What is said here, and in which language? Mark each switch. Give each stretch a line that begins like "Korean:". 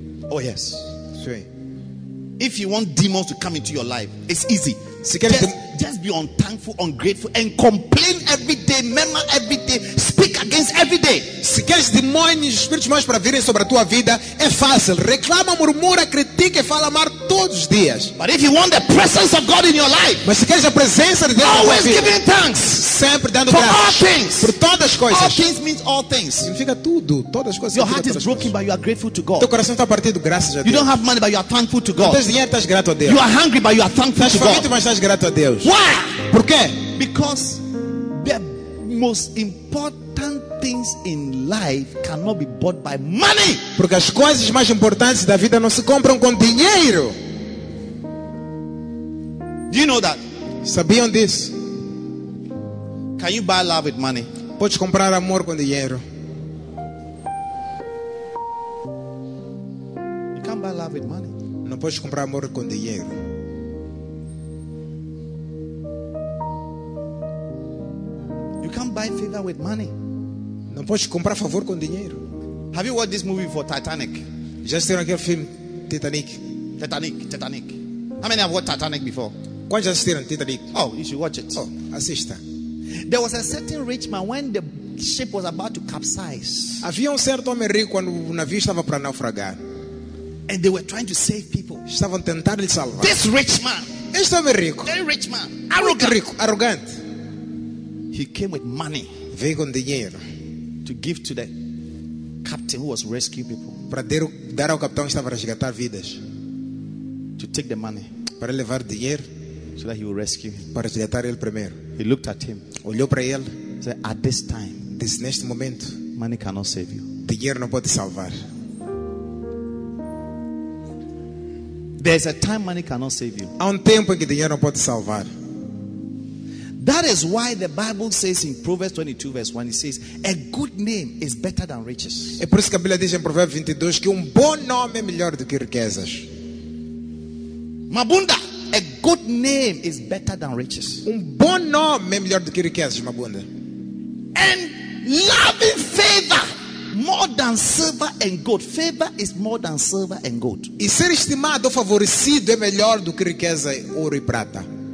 English: Oh yes.
Portuguese: Sim.
English: If you want demons to come into your life, it's easy. Just be unthankful, ungrateful and complain every day, murmur every day, speak against every day.
Portuguese: Se queres demônios, espíritos maus para virem sobre a tua vida, é fácil. Reclama, murmura, critica e fala mal todos os dias.
English: But if you want the presence of God in your life,
Portuguese: mas se queres a presença de Deus,
English: always giving thanks,
Portuguese: sempre dando
English: for
Portuguese: graças
English: all things,
Portuguese: por todas as coisas.
English: All things means all things.
Portuguese: Significa tudo, todas as coisas.
English: Your heart is broken, but you are grateful to God.
Portuguese: Teu coração está partido, graças a Deus.
English: You don't have money, but you are thankful to God.
Portuguese: Não tens dinheiro, estás grato a Deus.
English: You are hungry, but you are thankful to God.
Portuguese: Mas estás grato a Deus.
English: Why?
Portuguese: Por quê?
English: Because the most important things in life cannot be bought by money.
Portuguese: Porque as coisas mais importantes da vida não se compram com dinheiro.
English: Do you know that?
Portuguese: Sabiam disso?
English: Can you buy love with money?
Portuguese: Podes comprar amor com dinheiro?
English: You can't buy love with money.
Portuguese: Não podes comprar amor com dinheiro.
English: Buy favor with money.
Portuguese: Não podes comprar favor com dinheiro.
English: Have you watched this movie for Titanic?
Portuguese: Já assistiram aquele filme Titanic?
English: Titanic. How many have watched Titanic before?
Portuguese: Quantos já assistiram Titanic?
English: Oh, you should watch it.
Portuguese: Oh, assista.
English: There was a certain rich man when the ship was about to capsize.
Portuguese: Havia certo homem rico quando o navio estava para naufragar.
English: And they were trying to save people.
Portuguese: Estavam tentando salvar.
English: This rich man.
Portuguese: Este homem rico.
English: Very rich man. Arrogant.
Portuguese: Rico, arrogante.
English: He came with money.
Portuguese: Veio com dinheiro.
English: To give to the captain who was rescuing people.
Portuguese: Para dar ao capitão que estava a resgatar vidas.
English: To take the money.
Portuguese: Para levar dinheiro.
English: So that he will rescue.
Portuguese: Para resgatar ele primeiro.
English: He looked at him.
Portuguese: Olhou para ele.
English: Said, at this time.
Portuguese: Neste momento.
English: Money cannot save you.
Portuguese: Dinheiro não pode salvar.
English: There's a time money cannot save you.
Portuguese: Há tempo em que dinheiro não pode salvar.
English: That is why the Bible says in Proverbs 22 verse 1, it says, a good name is better than riches.
Portuguese: É por isso que a Bíblia diz em Provérbios 22 que bom nome é melhor do que riquezas.
English: Mabunda, a good name is better than riches.
Portuguese: Bom nome é melhor do que riquezas, Mabunda.
English: And loving favor more than silver and gold. Favor is more than silver and gold.
Portuguese: E ser estimado ou favorecido é melhor do que riqueza, ouro e prata.